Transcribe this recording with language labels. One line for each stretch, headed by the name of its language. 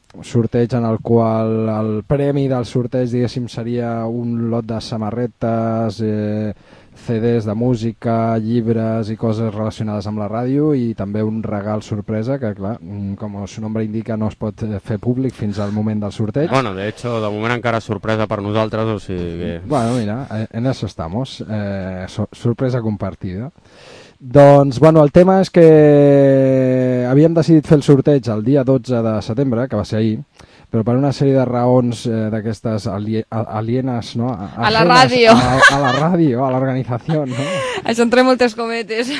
Catalan: Un sorteig en el qual el premi del sorteig, diguéssim, seria un lot de samarretes, CDs de música, llibres i coses relacionades amb la ràdio i també un regal sorpresa que, clar, com el seu nom indica, no es pot fer públic fins al moment del sorteig. Bueno,
Spanish: de hecho,
Catalan: de moment encara sorpresa per nosaltres, o sigui...
Spanish: Bueno, mira, en eso estamos.
Catalan: Sorpresa compartida. Doncs, bueno, el tema és que havíem decidit fer el sorteig el dia 12 de setembre, que va ser ahir, però per una sèrie de raons d'aquestes alienes, no? A la ràdio. A la ràdio, a l'organització, no? Això entre moltes cometes.